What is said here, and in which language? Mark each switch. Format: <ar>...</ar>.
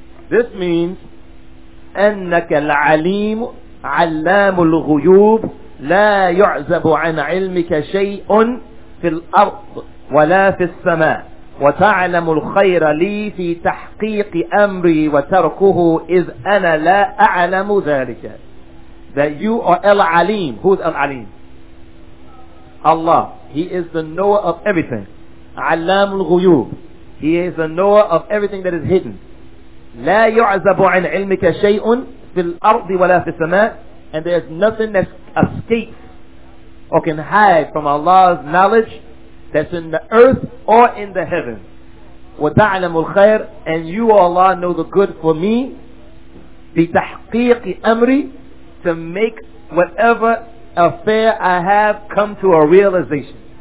<en>This means</en> <ar>أَنَّكَ الْعَلِيمُ عَلَّامُ الْغُيُوبِ لَا يُعْزَبُ عَنْ عِلْمِكَ شَيْءٌ فِي الْأَرْضِ وَلَا فِي السَّمَاءِ وَتَعْلَمُ الْخَيْرَ لِي فِي تَحْقِيقِ أَمْرِي وَتَرْكُهُ إِذْ أَنَا لَا أَعْلَمُ ذَلِكَ.</ar> <en>That you are Al-Alim. Who is Al-Alim? Allah. He is the knower of everything.</en> <ar>علام الغيوب.</ar> <en>He is the knower of everything that is hidden.</en> <ar>لا يعزب عن علمك شيء في الأرض ولا في السماء.</ar> <en>And there is nothing that escapes or can hide from Allah's knowledge that's in the earth or in the heavens.</en> <ar>وتعلم الخير.</ar> <en>And you, Allah, know the good for me.</en> <ar>بتحقيق أمري.</ar> <en>To make whatever affair I have come to a realization.</en>